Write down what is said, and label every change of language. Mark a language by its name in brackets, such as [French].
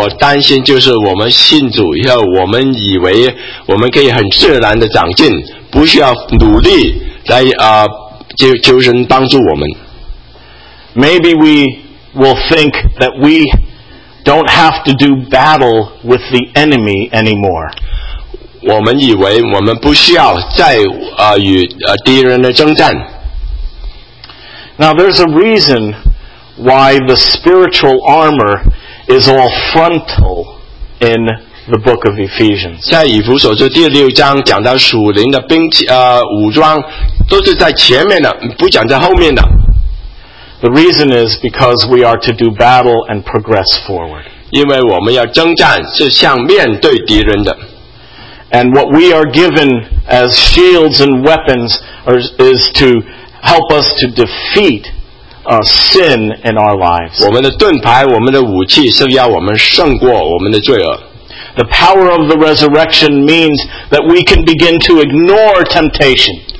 [Chinese] 我担心就是我们信主以后，我们以为我们可以很自然的长进，不需要努力来求神帮助我们。 [English] Maybe we will think that we. Don't have to do battle with the enemy anymore. [Chinese] 我们以为我们不需要再与敌人的征战。 [English] Now there's a reason why the spiritual armor is all frontal in the book of Ephesians. [Chinese] 在以弗所书第六章讲到属灵的兵器武装都是在前面的，不讲在后面的。 [English] The reason is because we are to do battle and progress forward. [Chinese] 因为我们要征战，是向面对敌人的。 [English] And what we are given as shields and weapons is to help us to defeat sin in our lives. [Chinese] 我们的盾牌，我们的武器是要我们胜过我们的罪恶。 [English] The power of the resurrection means that we can begin to ignore temptation.